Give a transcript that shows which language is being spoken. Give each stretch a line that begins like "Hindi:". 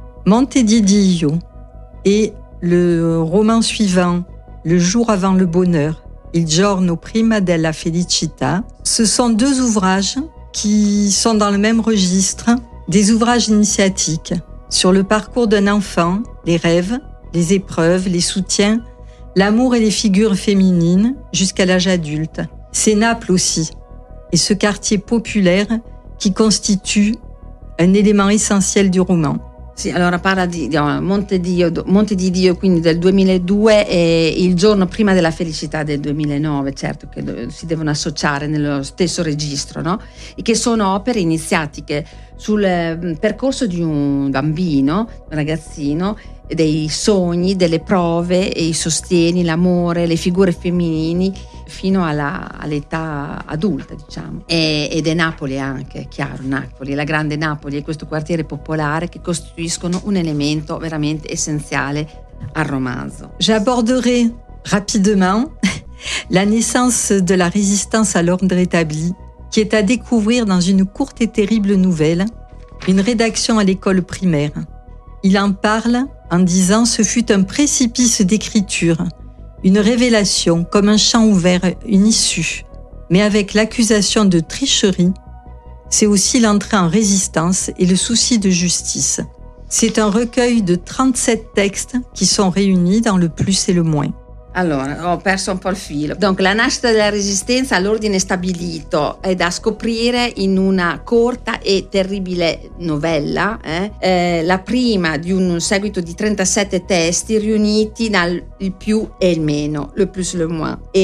French: Monte di Dio e le roman suivant Le jour avant le bonheur, Il giorno prima della felicità, ce sont deux ouvrages qui sont dans le même registre, des ouvrages initiatiques sur le parcours d'un enfant, les rêves, les épreuves, les soutiens, l'amour et les figures féminines jusqu'à l'âge adulte. C'est Naples aussi, et ce quartier populaire qui constitue un élément essentiel du roman.
Italian: Sì, allora parla di Monte di Dio, quindi del 2002 e Il giorno prima della felicità del 2009, certo che si devono associare nello stesso registro, no? E che sono opere iniziatiche sul percorso di un bambino, un ragazzino, dei sogni, delle prove e i sostieni, l'amore, le figure femminili fino all'età adulta, diciamo. Ed è Napoli anche, chiaro, Napoli, la grande Napoli e questo quartiere popolare che costituiscono un elemento veramente essenziale al romanzo.
French: J'aborderai rapidement la naissance de la résistance à l'ordre établi, qui est à découvrir dans une courte et terrible nouvelle, une rédaction à l'école primaire. Il en parle en disant « Ce fut un précipice d'écriture, une révélation, comme un champ ouvert, une issue. Mais avec l'accusation de tricherie, c'est aussi l'entrée en résistance et le souci de justice. C'est un recueil de 37 textes qui sont réunis dans le plus et le moins. »
Italian: Allora, ho perso un po' il filo. Donc, la nascita della resistenza all'ordine stabilito è da scoprire in una corta e terribile novella, la prima di un seguito di 37 testi riuniti dal il più e il meno, le plus le moins.